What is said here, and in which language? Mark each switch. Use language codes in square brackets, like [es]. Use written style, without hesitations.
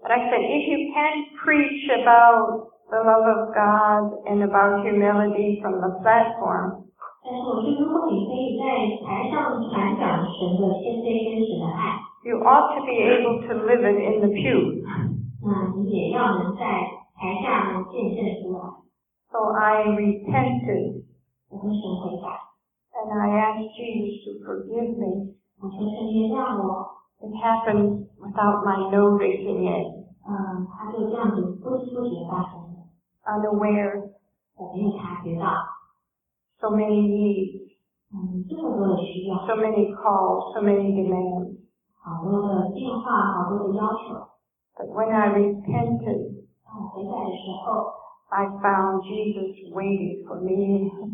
[en] But I said, if you can't preach about the love of God and about humility from the platform, [zh] 但是我说，如果你可以在台上传讲神的谦卑跟神的爱， [en] you ought to be able to live it in the pew. [zh] 那你也要能在台下见证出来。 [en] So I repented, [zh] 我跟神回答, [en] and I asked Jesus to forgive me. [zh] 我求神原谅我, [en] it happened without my noticing it. [zh] 他就这样子不知不觉发生了, [en] unaware, [zh] 我没有察觉到, [en] so many needs, [zh] 这么多的需要, [en] so many calls, so many demands. [zh] 好多的电话, 好多的要求, [en] but when I repented, [zh] 当我回来的时候, [en] I found Jesus waiting for me.